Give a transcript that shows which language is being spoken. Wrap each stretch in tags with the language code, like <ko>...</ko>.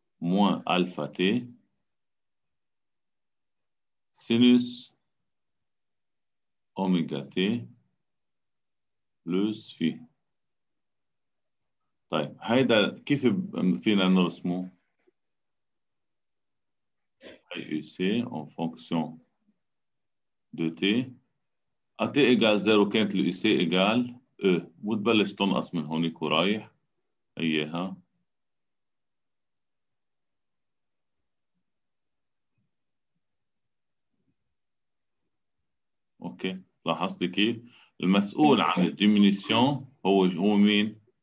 <fr>moins alpha t sinus omega t plus phi.</fr> <ar>طيب هيدا كيف فينا نرسمه؟</ar> <fr>AGC en fonction de T. AT égale 0,</fr> <ar>كانت</ar> <fr>le IC égale E.</fr> <ar>وتبلش تنقص من هونيك ورايح. اياها. اوكي. لاحظتي كيف؟ المسؤول عن الديمينيسيون هو مين؟</ar>